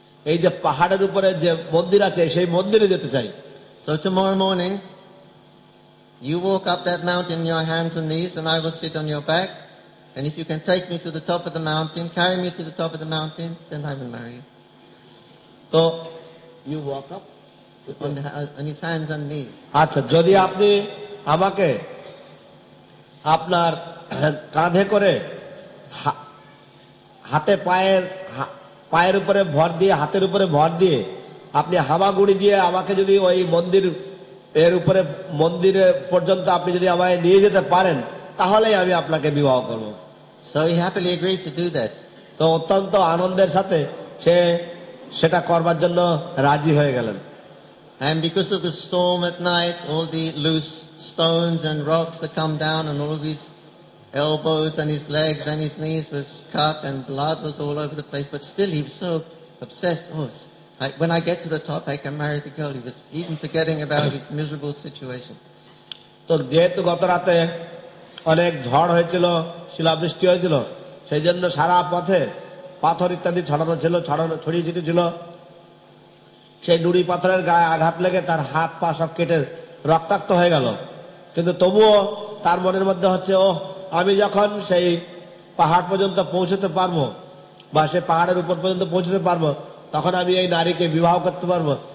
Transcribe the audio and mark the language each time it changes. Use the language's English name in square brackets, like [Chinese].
[Bangla] এই যে পাহাড়ের উপরে যে মন্দির আছে সেই মন্দিরে যেতে চাই। [English] So tomorrow morning, you walk up that mountain on your hands and knees, and I will sit on your back. And if you can take me to the top of the mountain, carry me to the top of the mountain, then I will marry you. So you walk up on his hands and knees. [Bangla] আচ্ছা, যদি আপনি আমাকে আপনার কাঁধে করে হাতে পায়ের উপরে ভর দিয়ে হাতের উপরে ভর দিয়ে আপনি হামাগুড়ি দিয়ে আমাকে যদি ওই মন্দির এর উপরে মন্দিরে পর্যন্ত আপনি যদি আমায় নিয়ে যেতে পারেন তাহলেই আমি আপনাকে বিবাহ করব। [English] So he happily agreed to do that. [Bangla] তো অত্যন্ত আনন্দের সাথে সে সেটা করবার জন্য রাজি হয়ে গেলেন। [English] And because of the storm at night, all the loose stones and rocks that come down and all of his elbows and his legs and his knees was cut and blood was all over the place, but still he was so obsessed. When I get to the top, I can marry the girl. He was even forgetting about his miserable situation. [Bangla] তো যেহেতু গত রাতে অনেক ঝড় হয়েছিল, শিলাবৃষ্টি হয়েছিল, সেই জন্য সারা পথে পাথর ইত্যাদি ছড়ানো ছিল, ছড়িয়ে ছিটে ছিল। সেই নুড়ি পাথরের গায়ে আঘাত লেগে তার হাত পা সব কেটে রক্তাক্ত হয়ে গেল, কিন্তু তবুও তার মনের মধ্যে হচ্ছে, ও আমি যখন সেই পাহাড় পর্যন্ত পৌঁছতে পারবো বা সেই পাহাড়ের উপর পর্যন্ত পৌঁছতে পারবো তখন আমি এই নারীকে বিবাহ করতে পারবো।